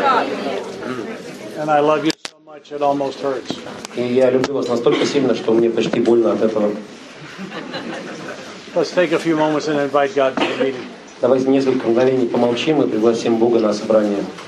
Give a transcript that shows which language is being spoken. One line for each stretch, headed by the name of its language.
English: And I love you so much it almost hurts.
Russian: И я люблю вас настолько сильно, что мне почти больно от этого.
English: Let's take a few moments and invite God to the meeting.
Russian: Давайте несколько мгновений помолчим и пригласим Бога на собрание.